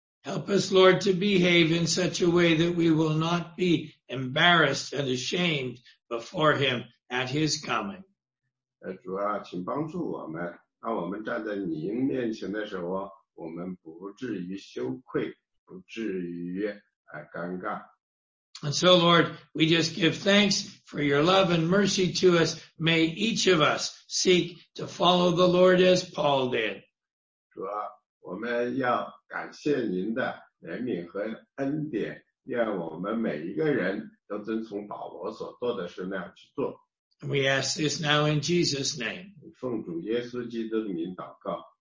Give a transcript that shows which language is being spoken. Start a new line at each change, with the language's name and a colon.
English: Help us, Lord, to behave in such a way that we will not be embarrassed and ashamed before Him at His coming.
Chinese: 主啊，请帮助我们，当我们站在您面前的时候。我们不至于羞愧，不至于尴尬。
English: And so, Lord, we just give thanks for your love and mercy to us. May each of us seek to follow the Lord as Paul did.
Chinese: 主啊，我们要感谢您的怜悯和恩典，愿我们每一个人都遵从保罗所做的事那样去做。
English: We ask this now in Jesus' name.
Chinese: 奉主耶稣基督的名祷告。